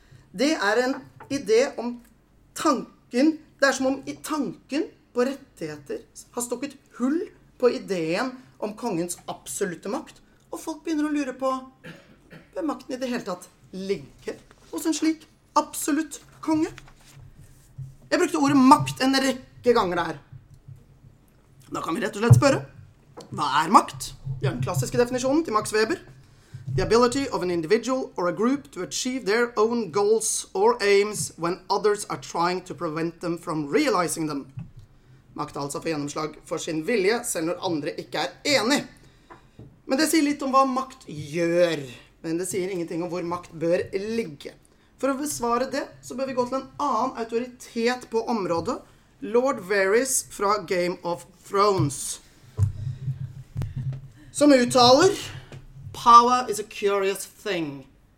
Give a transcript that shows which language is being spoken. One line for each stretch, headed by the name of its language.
Norwegian: Det en idé om tanken, det som om i tanken på rettigheter har stukket hull på ideen om kongens absolutte makt, og folk begynner å lure på hvem makten i det hele tatt ligger hos en slik absolutt konge. Jeg brukte ordet makt en rekke ganger der. Da kan vi rett og slett spørre, hva makt? Vi har den klassiske definisjonen til Max Weber.
English: The ability of an individual or a group to achieve their own goals or aims when others are trying to prevent them from realizing them.
Norwegian: Makt altså får gjennomslag for sin vilje, selv når andre ikke enige. Men det sier litt om hva makt gjør, men det sier ingenting om hvor makt bør ligge. For å besvare det, så bør vi gå til en annen autoritet på området, Lord Varys fra Game of Thrones, som uttaler,
English: power is a curious thing.